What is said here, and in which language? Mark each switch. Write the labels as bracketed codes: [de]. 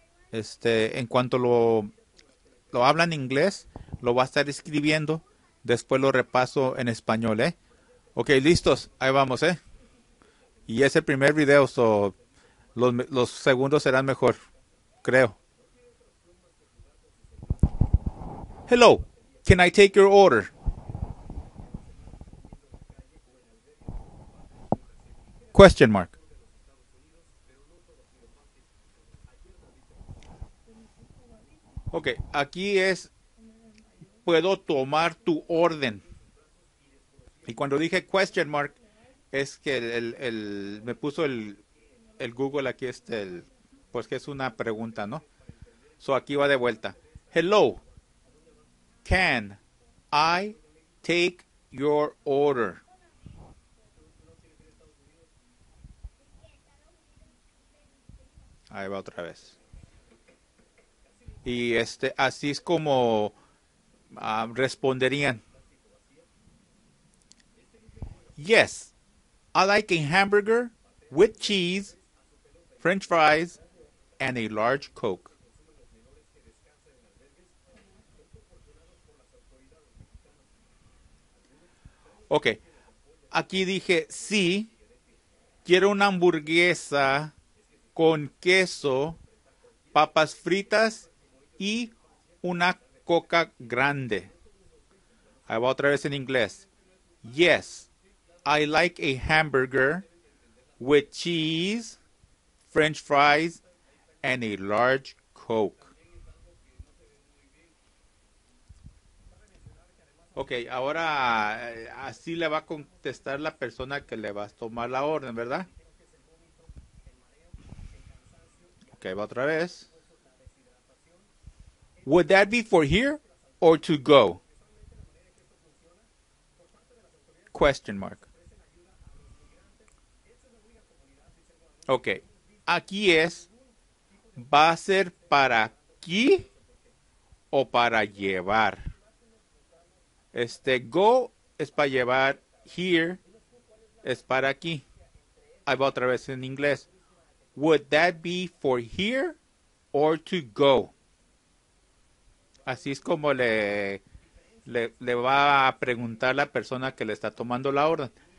[es] En cuanto lo habla en inglés, lo va a estar escribiendo. Después lo repaso en español, ¿eh? Ok, listos, ahí vamos, ¿eh? Y es el primer video, so los segundos serán mejor, creo. [en] Hello, can I take your order? Question mark. [es] Ok, aquí es, puedo tomar tu orden. Y cuando dije question mark, es que me puso el Google aquí, pues que es una pregunta, ¿no? [en] So [es] aquí va de vuelta. [en] Hello. Can I take your order? [es] Ahí va otra vez. Y así es como responderían. [en] Yes, I like a hamburger with cheese, French fries, and a large Coke. [es] Ok, aquí dije sí, quiero una hamburguesa con queso, papas fritas y una coca grande. Ahí va otra vez en inglés. [en] Yes, I like a hamburger with cheese, French fries, and a large Coke. [es] Ok, ahora así le va a contestar la persona que le va a tomar la orden, ¿verdad? Ok, va otra vez. [en] Would that be for here or to go? Question mark. [es] Ok, aquí es, ¿va a ser para aquí o para llevar? Go es para llevar, here es para aquí. Ahí va otra vez en inglés. [en] Would that be for here or to go? [es] Así es como le va a preguntar la persona que le está tomando la orden.